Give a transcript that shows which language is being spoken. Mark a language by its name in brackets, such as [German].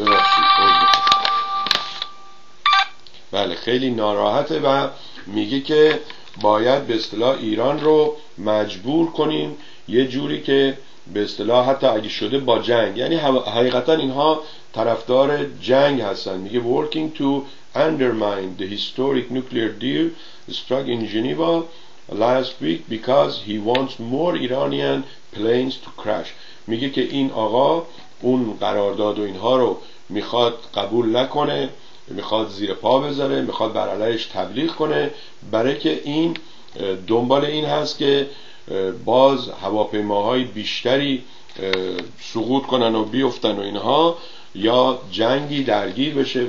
[Persian] ببخشید، بله خیلی ناراحته و میگه که باید به اصطلاح ایران رو مجبور کنیم یه جوری که به اصطلاح حتی اگه شده با جنگ، یعنی حقیقتا اینها طرفدار جنگ هستن. میگه [English] working to undermine the historic nuclear deal struck in Geneva last week because he wants more Iranian planes to crash. [Persian] میگه که این آقا اون قرارداد و اینها رو میخواد قبول نکنه، میخواد زیر پا بذاره، میخواد بر علیهش تبلیغ کنه، برای که این دنبال این هست که باز هواپیماهای بیشتری سقوط کنن و بیفتن و اینها، یا جنگی درگیر بشه.